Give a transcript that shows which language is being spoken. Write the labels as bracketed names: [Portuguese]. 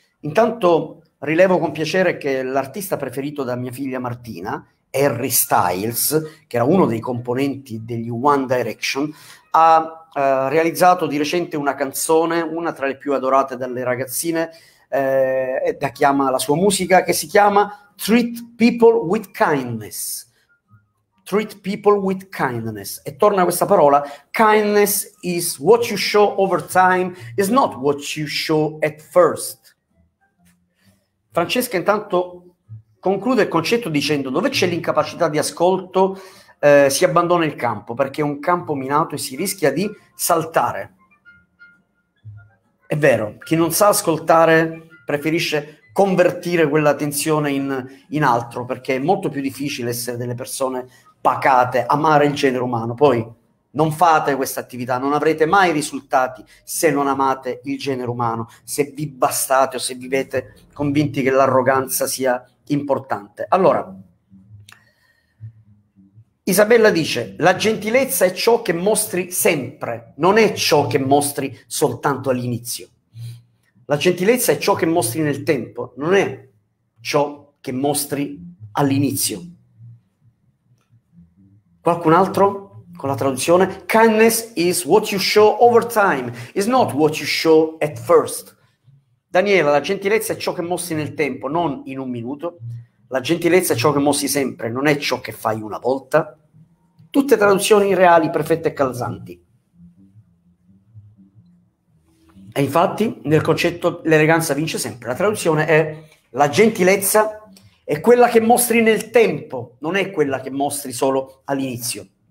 [Italian] Intanto rilevo con piacere che l'artista preferito da mia figlia Martina, Harry Styles, che era uno dei componenti degli One Direction, ha realizzato di recente una canzone, una tra le più adorate dalle ragazzine, da chi ama la sua musica, che si chiama Treat People with Kindness. [English] Treat people with kindness. [Italian] E torna questa parola: [English] kindness is what you show over time, is not what you show at first. [Italian] Francesca intanto conclude il concetto dicendo: dove c'è l'incapacità di ascolto, si abbandona il campo, perché è un campo minato e si rischia di saltare. È vero, chi non sa ascoltare preferisce convertire quella tensione in altro, perché è molto più difficile essere delle persone pacate, amare il genere umano. Poi non fate questa attività, non avrete mai risultati se non amate il genere umano, se vi bastate o se vivete convinti che l'arroganza sia importante. Allora, Isabella dice: la gentilezza è ciò che mostri sempre, non è ciò che mostri soltanto all'inizio. La gentilezza è ciò che mostri nel tempo, non è ciò che mostri all'inizio. Qualcun altro con la traduzione? [English] Kindness is what you show over time, is not what you show at first. [Italian] Daniela, la gentilezza è ciò che mostri nel tempo, non in un minuto. La gentilezza è ciò che mostri sempre, non è ciò che fai una volta. Tutte traduzioni reali, perfette e calzanti. E infatti, nel concetto l'eleganza vince sempre. La traduzione è: la gentilezza è quella che mostri nel tempo, non è quella che mostri solo all'inizio.